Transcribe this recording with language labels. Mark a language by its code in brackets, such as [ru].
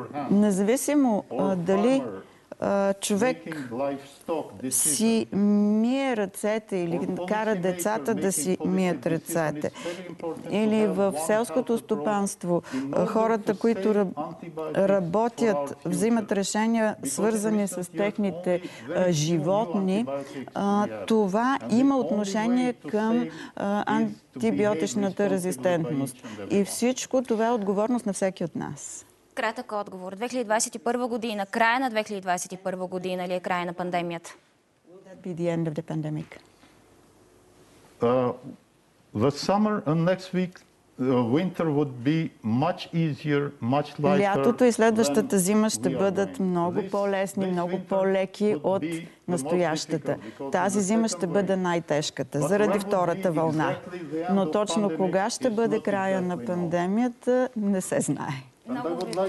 [bg] Независимо дали човек си мие ръцете или кара децата да си мият ръцете, или в селското стопанство хората, които работят, взимат решения, свързани с техните животни, това има отношение към антибиотичната резистентност. И всичко това е отговорност на всеки от нас. Кратък отговор. 2021 година, края на 2021 година или е края на пандемията? [en] Will that be the end of the pandemic? The summer and next week winter would be much easier, much lighter. [bg] Лятото и следващата зима ще бъдат много по-лесни, много по-леки от настоящата. Тази зима ще бъде най-тежката заради втората вълна. Но точно кога ще бъде края на пандемията, не се знае. Много